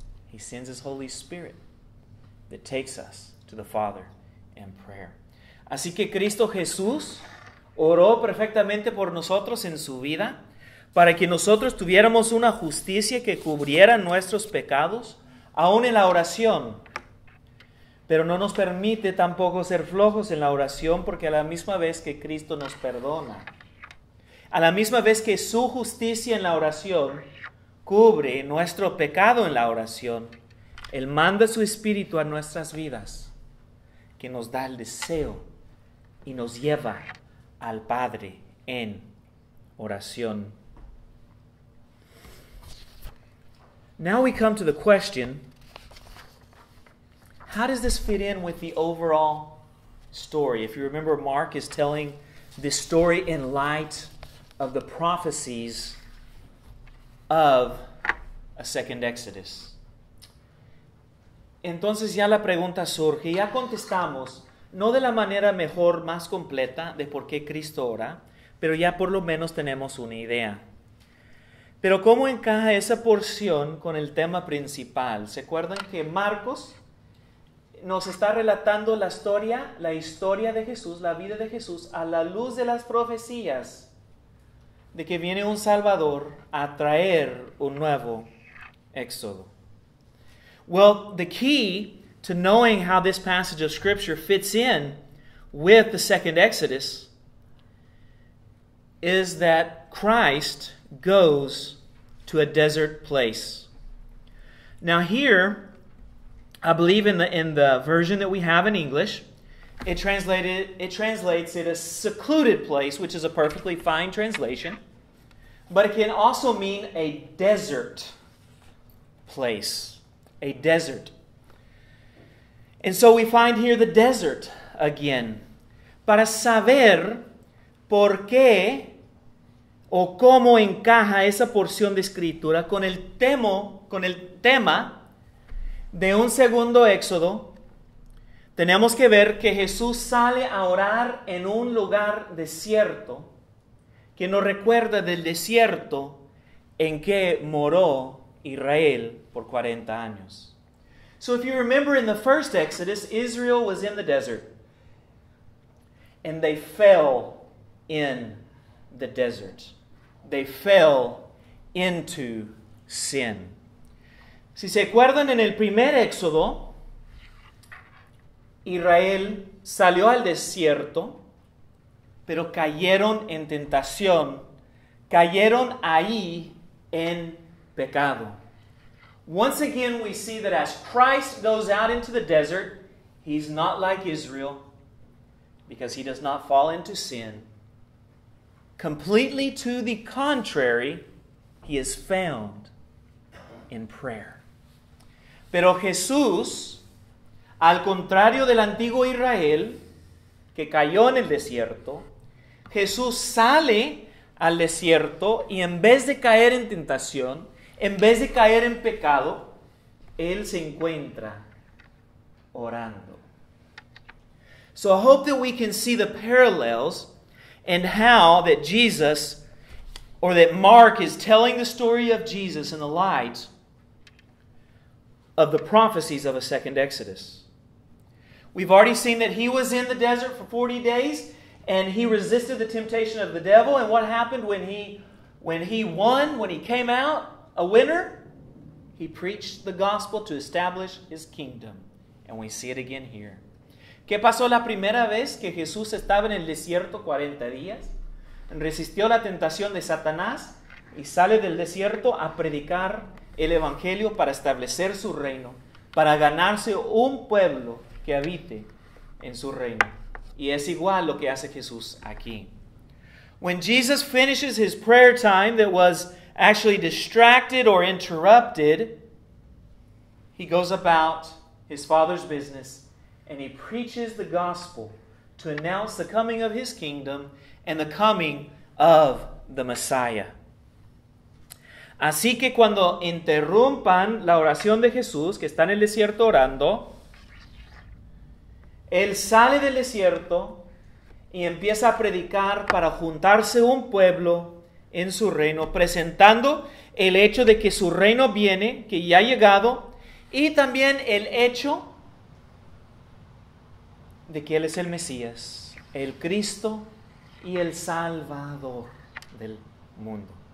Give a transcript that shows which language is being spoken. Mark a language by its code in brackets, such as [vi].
[en] He sends His Holy Spirit that takes us to the Father in prayer. [es] Así que Cristo Jesús oró perfectamente por nosotros en su vida para que nosotros tuviéramos una justicia que cubriera nuestros pecados, aún en la oración. Pero no nos permite tampoco ser flojos en la oración, porque a la misma vez que Cristo nos perdona, a la misma vez que su justicia en la oración cubre nuestro pecado en la oración, Él manda su Espíritu a nuestras vidas, que nos da el deseo y nos lleva al Padre en oración. [en] Now we come to the question, how does this fit in with the overall story? If you remember, Mark is telling this story in light of the prophecies of a second Exodus. [es] Entonces ya la pregunta surge, ya contestamos, no de la manera mejor, más completa de por qué Cristo ora, pero ya por lo menos tenemos una idea. Pero ¿cómo encaja esa porción con el tema principal? ¿Se acuerdan que Marcos nos está relatando la historia de Jesús, la vida de Jesús, a la luz de las profecías de que viene un Salvador a traer un nuevo éxodo? [en] Well, the key to knowing how this passage of Scripture fits in with the second Exodus is that Christ goes to a desert place. Now here, I believe in the version that we have in English, it translates it as secluded place, which is a perfectly fine translation, but it can also mean a desert place, a desert. And so we find here the desert again. [es] Para saber por qué o cómo encaja esa porción de escritura con el tema de un segundo éxodo, tenemos que ver que Jesús sale a orar en un lugar desierto que nos recuerda del desierto en que moró Israel por 40 años. [en] So if you remember in the first Exodus, Israel was in the desert and they fell in the desert. They fell into sin. [es] Si se acuerdan, en el primer éxodo, Israel salió al desierto, pero cayeron en tentación. Cayeron ahí en pecado. [en] Once again, we see that as Christ goes out into the desert, He's not like Israel, because He does not fall into sin. Completely to the contrary, He is found in prayer. [es] Pero Jesús, al contrario del antiguo Israel, que cayó en el desierto, Jesús sale al desierto y en vez de caer en tentación, en vez de caer en pecado, Él se encuentra orando. [en] So I hope that we can see the parallels and how that Jesus, or that Mark is telling the story of Jesus in the light of the prophecies of a second Exodus. We've already seen that he was in the desert for 40 days and he resisted the temptation of the devil. And what happened when he came out a winner? He preached the gospel to establish his kingdom. And we see it again here. [es] ¿Qué pasó la primera vez que Jesús estaba en el desierto 40 días? Resistió la tentación de Satanás y sale del desierto a predicar el evangelio para establecer su reino, para ganarse un pueblo que habite en su reino. Y es igual lo que hace Jesús aquí. [en] When Jesus finishes his prayer time that was actually distracted or interrupted, he goes about his Father's business and he preaches the gospel to announce the coming of his kingdom and the coming of the Messiah. [es] Así que cuando interrumpan la oración de Jesús, que está en el desierto orando, él sale del desierto y empieza a predicar para juntarse un pueblo en su reino, presentando el hecho de que su reino viene, que ya ha llegado, y también el hecho de que él es el Mesías, el Cristo y el Salvador del mundo.